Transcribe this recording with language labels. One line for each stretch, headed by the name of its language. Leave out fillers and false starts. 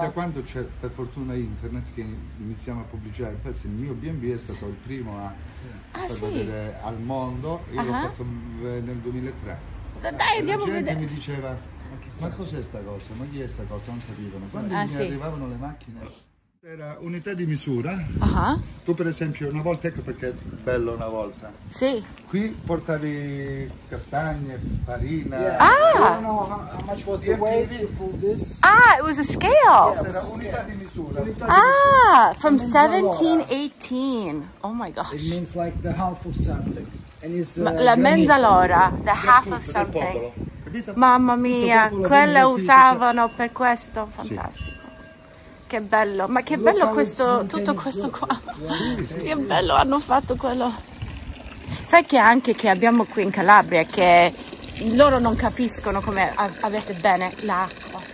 Italian: Da quando c'è per fortuna internet che iniziamo a pubblicare, infatti il mio B&B è stato il primo a vedere al mondo, io l'ho fatto nel 2003. Dai, andiamo a vedere. Mi diceva, ma cos'è sta cosa? Ma chi è sta cosa? Non capivano. Quando mi arrivavano le macchine, era unità di misura. Tu per esempio una volta, ecco perché è bello una volta. Sì. Qui portavi castagne, farina.
English: Yeah. Ah! I don't know how much was the weight for this? Ah, it was a scale. Yeah, it was
Italian: unità di misura. Unità di misura.
English: From 1718. Oh my gosh. It means like the half of something. And it's,
Italian: la mezza l'ora,
English: the half of something.
Italian: Mamma mia, quella usavano per questo, fantastico. Sì. Che bello, ma che bello questo, tutto questo qua. Che bello, hanno fatto quello. Sai che anche che abbiamo qui in Calabria, che loro non capiscono come avete bene l'acqua.